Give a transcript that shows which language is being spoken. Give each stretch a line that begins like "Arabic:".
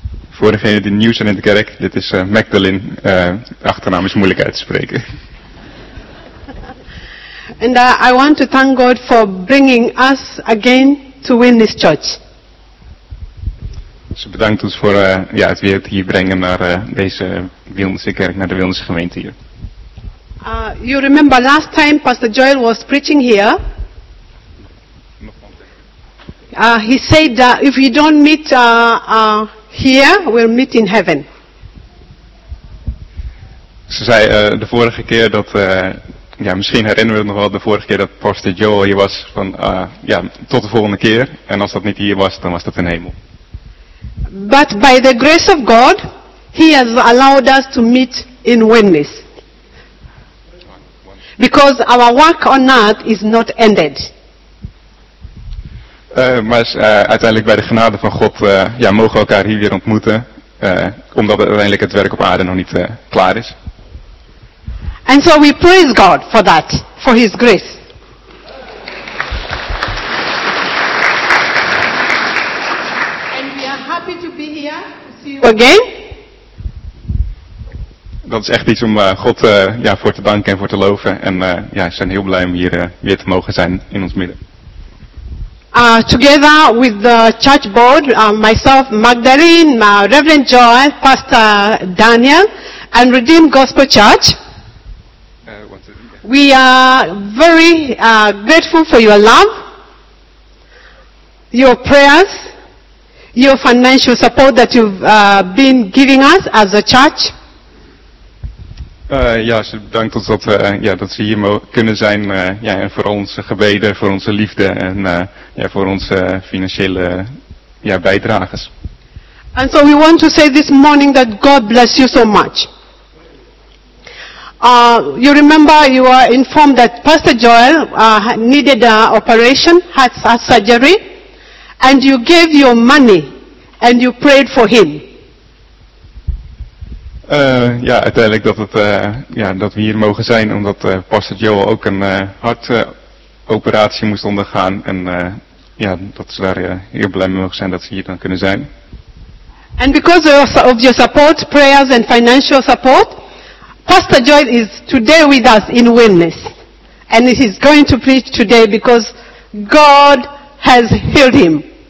Dutch: Voor degenen die nieuw zijn in de kerk, dit is Magdalene. Achternaam is moeilijk uit te spreken.
English: And I want to thank God for bringing us again to win this church.
Dutch: Ze bedankt ons voor het weer hier brengen naar deze Wilnisse kerk, naar de Wilnisse gemeente hier.
English: You remember last time Pastor Joel was preaching here? He said that if you don't meet here, we'll meet in heaven.
Dutch: Ze zei de vorige keer dat, misschien herinneren we het nog wel, de vorige keer dat Pastor Joel hier was, van tot de volgende keer. En als dat niet hier was, dan was dat in hemel.
English: But by the grace of God, he has allowed us to meet in oneness. Because our work on earth is not ended.
Dutch: Maar uiteindelijk bij de genade van God mogen we elkaar hier weer ontmoeten. Omdat uiteindelijk het werk op aarde nog niet klaar is.
English: And so we praise God for that, for his grace. And we are happy to be here to see you again.
Dutch: Dat is echt iets om God voor te danken en voor te loven. En we zijn heel blij om hier weer te mogen zijn in ons midden.
English: Together with the church board, myself, Magdalene, Reverend Joel, Pastor Daniel, and Redeemed Gospel Church, we are very grateful for your love, your prayers, your financial support that you've been giving us as a church.
Dutch: Ze bedankt ons dat ze hier kunnen zijn. En voor onze gebeden, voor onze liefde en voor onze financiële bijdrages.
English: And so we want to say this morning that God bless you so much. You remember you were informed that Pastor Joel needed an operation, had a surgery, and you gave your money and you prayed for him.
Dutch: Uiteindelijk dat het dat we hier mogen zijn omdat Pastor Joel ook een hartoperatie moest ondergaan en ja, dat ze daar heel blij mee mogen zijn dat ze hier dan kunnen zijn.
English: And because of your support, prayers and financial support, Pastor Joel is today with us in witness. And he is going to preach today because God has healed him.